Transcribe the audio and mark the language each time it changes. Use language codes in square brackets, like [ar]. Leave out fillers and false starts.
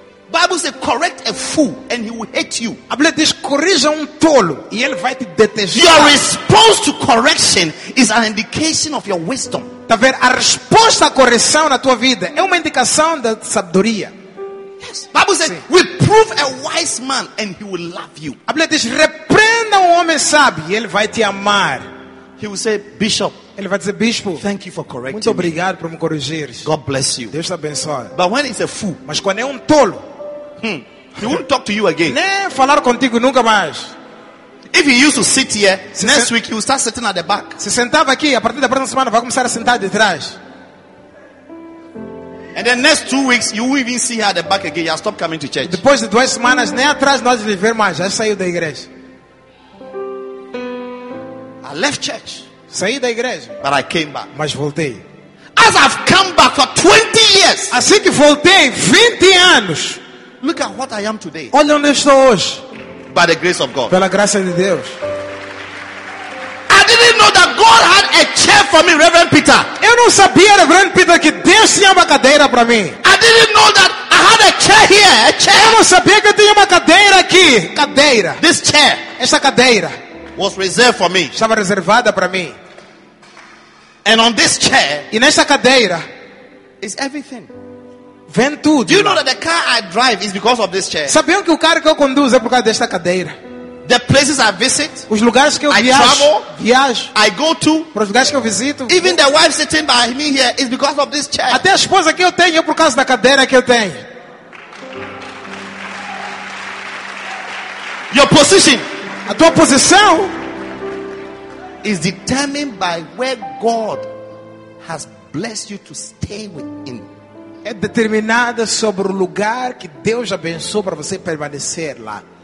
[en] Bible says, correct a fool and he will hate you. [pt] A Bíblia diz, corrija tolo e ele vai te detestar. [en] Your response to correction is an indication of your wisdom. [pt] Tá vendo? A resposta à correção na tua vida é uma indicação da sabedoria. [en] Yes. Bible says, reprove a wise man and he will love you. [pt] A Bíblia diz, repreenda homem sábio e ele vai te amar. [en] He will say, bishop. [pt] Ele vai dizer, bispo, [en] thank you for correcting. [pt] Muito obrigado por me corrigir. [en] God bless you. [pt] Deus te abençoe. [en] But when it's a fool, [pt] mas quando é tolo, [en] he won't talk to you again. [pt] Nem falar contigo nunca mais. [en] If he used to sit here, se next week he will start sitting at the back. [pt] Se sentava aqui, a partir da próxima semana vai começar a sentar de trás. [en] And then next 2 weeks you will even see her at the back again. You stop coming to church. [pt] Depois de 2 semanas nem atrás nós de ver mais, já saiu da igreja. [en] I left church. [pt] Saí da igreja. [en] But I came back. [pt] Mas voltei. [en] As I've come back for 20 years. [pt] Assim que voltei 20 anos. [en] Look at what I am today. [pt] Olha onde estou hoje. [en] By the grace of God. [pt] Pela graça de Deus. [en] I didn't know that God had a chair for me, Reverend Peter. [pt] Eu não sabia, Reverend Peter, que Deus tinha uma cadeira para mim. [en] I didn't know that I had a chair here, a chair. [pt] Eu não sabia que eu tinha uma cadeira aqui. Cadeira. [en] This chair. [pt] Essa cadeira. [en] Was reserved for me. [pt] Estava reservada para mim. [en] And on this chair, [pt] e nesta cadeira, [en] is everything. [pt] Vem tudo. [en] Do you know that the car I drive is because of this chair? [pt] Sabiam que o carro que eu conduzo é por causa desta cadeira? [en] The places I visit, [pt] os lugares que eu viajo, [en] I go to, [pt] para os lugares que eu visito, [en] even the wife sitting by me here is because of this chair. [pt] Até a esposa que eu tenho é por causa da cadeira que eu tenho. [en] Your position. [pt] A tua posição [en] is determined by where God has blessed you to stay within. [pt] É determinada sobre o lugar que Deus abençoou para você permanecer lá.